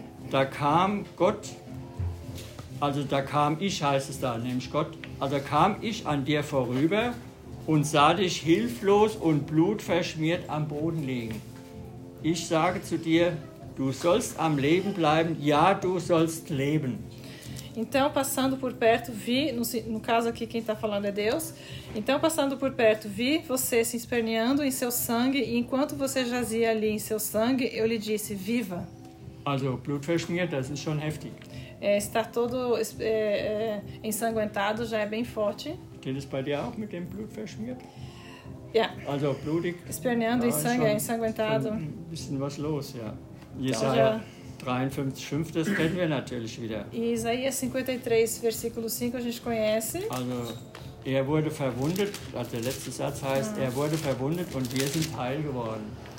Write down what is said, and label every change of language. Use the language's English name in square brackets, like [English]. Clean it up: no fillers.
[German] Da kam Gott, also da kam ich, heißt es da, nämlich Gott, also kam ich an dir vorüber und sah dich hilflos und blutverschmiert am Boden liegen. Ich sage zu dir, du sollst am Leben bleiben, ja, du sollst leben. [Portuguese] Então, passando por perto, vi, no caso aqui quem está falando é Deus, então, passando por perto, vi você se esperneando em seu sangue, e enquanto você jazia ali em seu sangue, eu lhe disse, viva. [German] Also, blutverschmiert, das ist schon heftig. [Portuguese] Estar todo ensanguentado já é bem forte. [German] Geht es bei dir auch mit dem blutverschmiert? Ja. Also, blutig. [Portuguese] Esperneando em sangue, [German] schon, [Portuguese] ensanguentado. [German] Ein bisschen was los, ja. Jesaja. Então, 53,5, das kennen wir natürlich wieder. [Portuguese] Isaías 53, versículo 5, a gente conhece. [German] Also, er wurde verwundet, also der letzte Satz heißt, er wurde verwundet und wir sind heil geworden.